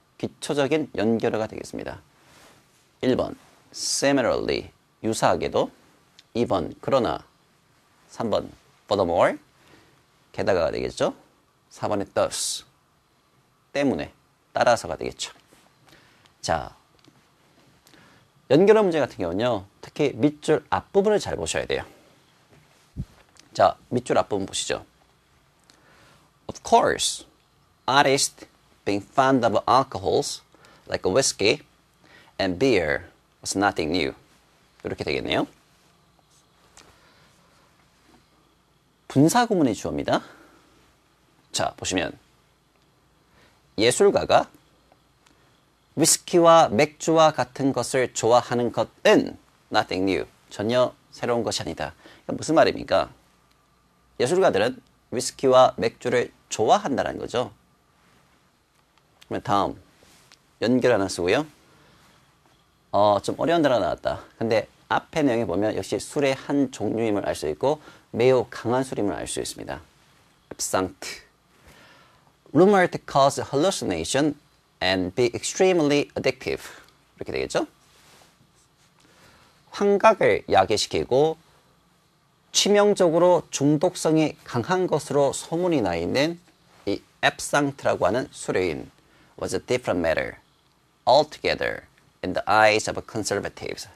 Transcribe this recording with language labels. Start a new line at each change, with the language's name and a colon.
Korean: 기초적인 연결어가 되겠습니다. 1번, similarly, 유사하게도 2번, 그러나 3번, furthermore, 게다가가 되겠죠? 4번에 thus, 때문에, 따라서가 되겠죠. 자, 연결어 문제 같은 경우는요. 특히 밑줄 앞부분을 잘 보셔야 돼요. 자, 밑줄 앞부분 보시죠.
English: Of course, artist being fond of alcohols like a whiskey and beer was nothing new.
Korean: 이렇게 되겠네요. 분사 구문의 주어입니다. 자, 보시면 예술가가 위스키와 맥주와 같은 것을 좋아하는 것은 nothing new. 전혀 새로운 것이 아니다. 무슨 말입니까? 예술가들은 위스키와 맥주를 좋아한다는 거죠. 그러면 다음 연결 하나 쓰고요. 좀 어려운 단어 나왔다. 근데 앞에 내용에 보면 역시 술의 한 종류임을 알 수 있고 매우 강한 술임을 알 수 있습니다. 앱상트.
English: Rumored to cause hallucination and be extremely addictive.
Korean: 이렇게 되겠죠? 환각을 야기시키고 치명적으로 중독성이 강한 것으로 소문이 나 있는 이 앱상트라고 하는 술인
English: was a different matter altogether in the eyes of conservatives.